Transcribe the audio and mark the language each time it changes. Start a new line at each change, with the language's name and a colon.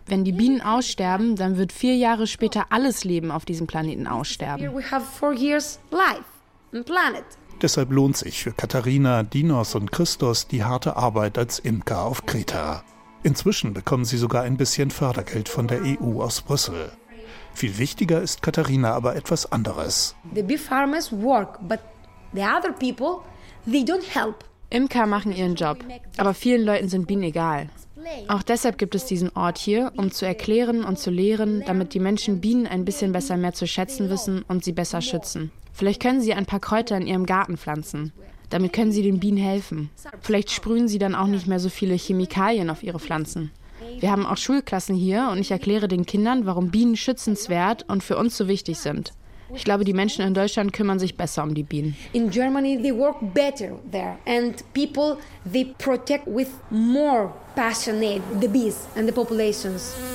German: wenn die Bienen aussterben, dann wird 4 Jahre später alles Leben auf diesem Planeten aussterben.
English: We have 4 years life on planet.
German: Deshalb lohnt sich für Katharina, Dinos und Christos die harte Arbeit als Imker auf Kreta. Inzwischen bekommen sie sogar ein bisschen Fördergeld von der EU aus Brüssel. Viel wichtiger ist Katharina aber etwas anderes.
English: The bee farmers work, but the other people, they don't help.
German: Imker machen ihren Job, aber vielen Leuten sind Bienen egal. Auch deshalb gibt es diesen Ort hier, um zu erklären und zu lehren, damit die Menschen Bienen ein bisschen besser mehr zu schätzen wissen und sie besser schützen. Vielleicht können sie ein paar Kräuter in ihrem Garten pflanzen. Damit können sie den Bienen helfen. Vielleicht sprühen sie dann auch nicht mehr so viele Chemikalien auf ihre Pflanzen. Wir haben auch Schulklassen hier und ich erkläre den Kindern, warum Bienen schützenswert und für uns so wichtig sind. Ich glaube, die Menschen in Deutschland kümmern sich besser um die Bienen.
English: In Germany they work better there and people they protect with more passion the bees and the populations.